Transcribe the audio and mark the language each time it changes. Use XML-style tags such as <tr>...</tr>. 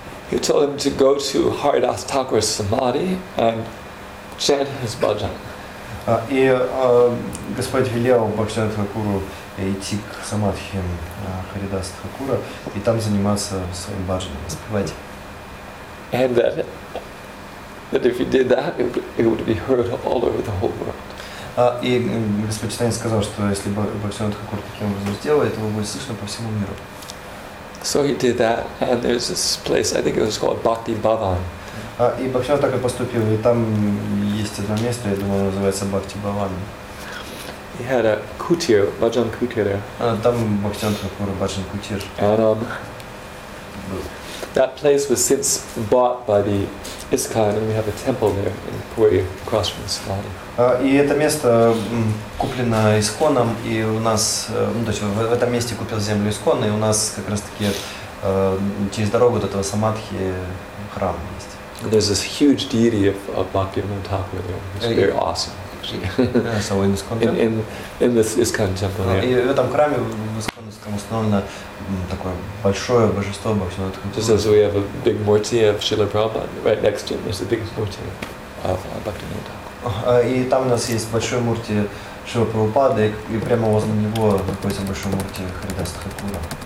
<en>He told him to go to Haridas Thakur's Samadhi and chant his bhajan.</en> <ru>И Господь велел Бхактивинода Тхакуру идти к самадхи Харидас Тхакура и там заниматься своим бхаджаном, воспевать.</ru> <en>And that if he did that, it would be heard all over the whole world.</en> <ru>И Господь Чайтанья сказал, что если Бхактивинода Тхакур таким образом сделает, его будет слышно по всему миру.</ru> <en>So he did that, and there's this place, I think it was called Bhakti Bhavan.</en> <ru>И Бхактивинода так и поступил, и там есть одно место, я думаю, называется Бхакти Бхаван.</ru> <en>He had a kutir, bhajan kutir.</en> <ru>Там Бхактивинода Тхакура bhajan kutir.</ru> <en>And that place was since bought by the ISKCON, and we have a temple there in Puri, across from the Samadhi.</en> <ru>И это место куплено ИСКОНом, и у нас, ну, то есть в этом месте купил землю ИСКОН, и у нас как раз-таки через дорогу от этого Самадхи храм есть.</ru> <en>There's this huge deity of Bhaktivinoda Thakur there. It's very awesome, actually. Yeah, so in this ISKCON temple, yeah.</en> <ru>И в этом храме в ИСКОНском установлено такое большое божество Бхактивинода Тхакура.</ru> <en>Just as we have a big murti of Srila Prabhupada, right next to him is the biggest murti of Bhaktivinoda Thakur.</en> <ru>И там у нас есть большой мурти Шрила Прабхупады, и прямо возле него находится большой мурти Харидаса Тхакура.</ru>